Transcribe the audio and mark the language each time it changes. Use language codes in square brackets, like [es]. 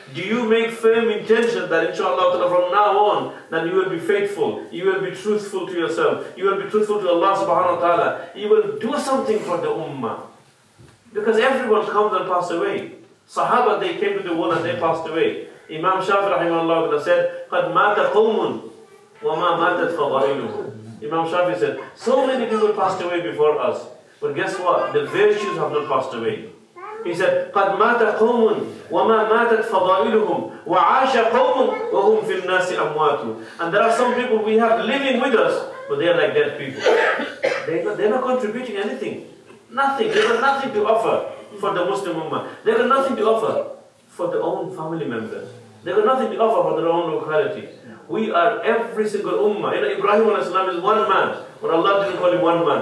[en] Do you make firm intention that inshallah from now on, that you will be faithful, you will be truthful to yourself, you will be truthful to Allah subhanahu wa ta'ala, you will do something for the ummah? Because everyone comes and passes away. Sahaba, they came to the world and they passed away. Imam Shafi rahimahullah said, [ar] قَدْ مَاتَ قَوْمٌ وَمَا مَاتَتْ فَضَعِنُهُ. [en] Imam Shafi said, so many people passed away before us. But guess what? The virtues have not passed away. He said, [ar] قَدْ مَاتَ قَوْمٌ وَمَا مَاتَتْ فَضَائِلُهُمْ وَعَاشَ قَوْمٌ وَهُمْ فِي النَّاسِ أَمْوَاتُ. [en] And there are some people we have living with us, but they are like dead people. They're not contributing anything. Nothing. They have nothing to offer for the Muslim Ummah. They have nothing to offer for their own family members. They have nothing to offer for their own locality. We are every single ummah. You know, Ibrahim alayhi salam is one man, but Allah didn't call him one man.